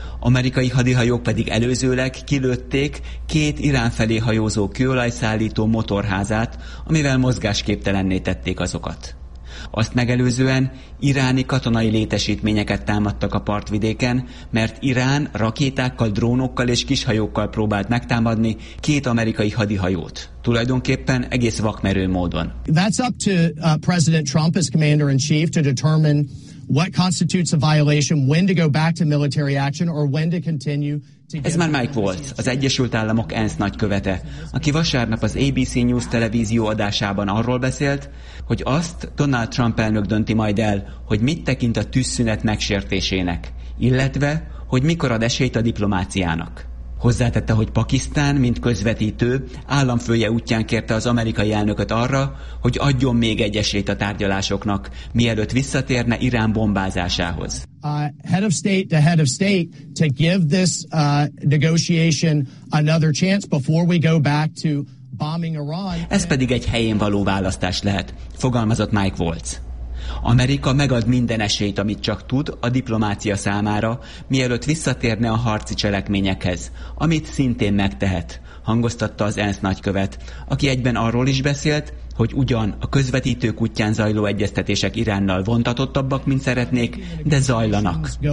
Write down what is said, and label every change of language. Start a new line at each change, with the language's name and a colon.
Hungarian: Amerikai hadihajók pedig előzőleg kilőtték 2 Irán felé hajózó kőolajszállító motorházát, amivel mozgásképtelenné tették azokat. Azt megelőzően iráni katonai létesítményeket támadtak a partvidéken, mert Irán rakétákkal, drónokkal és kishajókkal próbált megtámadni 2 amerikai hadihajót. Tulajdonképpen egész vakmerő módon.
English: That's up to President Trump as commander in chief to determine what constitutes a violation, when to go back to military action or when to continue.
Hungarian: Ez már Mike Waltz, az Egyesült Államok ENSZ nagykövete, aki vasárnap az ABC News televízió adásában arról beszélt, hogy azt Donald Trump elnök dönti majd el, hogy mit tekint a tűzszünet megsértésének, illetve, hogy mikor ad esélyt a diplomáciának. Hozzátette, hogy Pakisztán, mint közvetítő, államfője útján kérte az amerikai elnököt arra, hogy adjon még egy esélyt a tárgyalásoknak, mielőtt visszatérne Irán bombázásához.
English: Head of state to head of state to give this negotiation another chance before we go back to bombing Iran.
Hungarian: Ez pedig egy helyén való választás lehet, fogalmazott Mike Waltz. Amerika megad minden esélyt, amit csak tud a diplomácia számára, mielőtt visszatérne a harci cselekményekhez, amit szintén megtehet, hangoztatta az ENSZ nagykövet, aki egyben arról is beszélt, hogy ugyan a közvetítők útján zajló egyeztetések Iránnal vontatottabbak, mint szeretnék, de zajlanak.